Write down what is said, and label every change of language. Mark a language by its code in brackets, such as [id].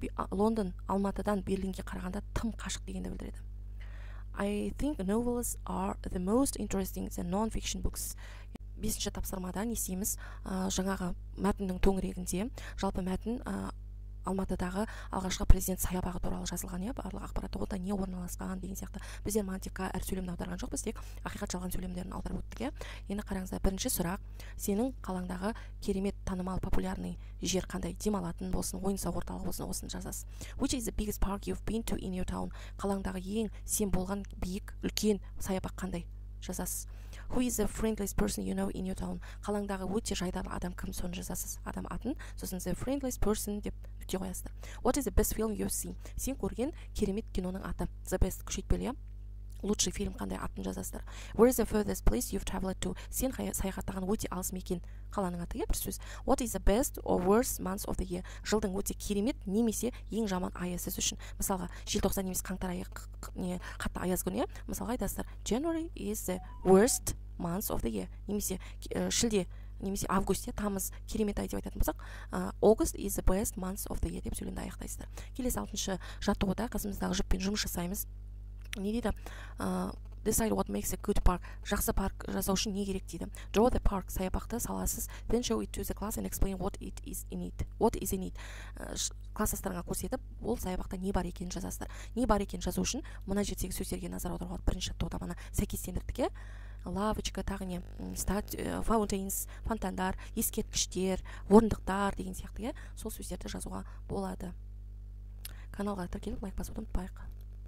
[kk] London Алматыдан Берлинге қарағанда тым қашық дегенді білдіреді. [en] I think novels are the most interesting than non-fiction books. [kk] 5-ші тапсырмадан есейміз жаңағы мәтіннің төңірегінде жалпы мәтін Алматыдағы алғашқы президент саябағы туралы жазылған, барлық ақпарат онда не орналасқан деген сияқты. Біз романтика әр сөйлемді аударған жоқпыз, тек ақиқат жалған сөйлемдерін аударып өттік. Енді қараңыздар, бірінші сұрақ. Сенің қалаңдағы керемет танымал [ru] популярный [kk] жер қандай? Демалатын болсын, ойын-сауық орталығы болсын, осыны жазасыз. [en] Which is the biggest park you've been to in your town? [kk] Қалаңдағы ең сен болған биік, үлкен саябақ қандай? Жазасыз. [en] Who is the friendliest person you know in your town? [kk] Қалаңдағы өте жайдарлы адам кім? Соны жазасыз. Адам атын, сосын [en] the friendliest person [kk] деп нүкте қоясыздар. [en] What is the best film you've seen? [kk] Сен көрген керемет киноның аты. [en] The best [kk] күшейтпелі. [ru] Лучший фильм [kk] қандай атын жазасыздар. [en] Where is the furthest place you've traveled to? [kk] Сен саяхаттаған өте алыс мекен қаланың аты. Бір сөз. [en] What is the best or worst month of the year? [kk] Жылдың өте керемет немесе ең жаман айы сіз үшін. Мысалға, желтоқсан немесе қаңтар айы қатты аяз күн. Мысалға айтасыздар. [en] January is the worst month of the year. [kk] Немесе шілде немесе август, тамыз керемет ай деп айтатын болсақ, [en] August is the best month of the year [kk] деп сөйлемді аяқтайсыздар. Келесі 6-шы жаттығуда қасымыздағы жіппен жұмыс жасаймыз. Не дейді? [en] Decide what makes a good park. [kk] Жақсы парк жасау үшін не керек дейді. [en] Draw the park. [kk] Саябақты саласыз. [en] Then show it to the class and explain what it is in it. What is in it? [kk] Класстастарыңа көрсетіп, ол саябақта не бар екенін жазасыздар. Не бар екенін жазу үшін мына жердегі сөздерге назар аударуға бірінші жаттығуда мана сәйкестендірдік. Лавочка, тағы не, фаунтейнс, фонтандар, ескерткіштер, орындықтар деген сияқты, сол сөздерді жазуға болады. Каналға тіркеліп, лайк басуды ұмытпайық.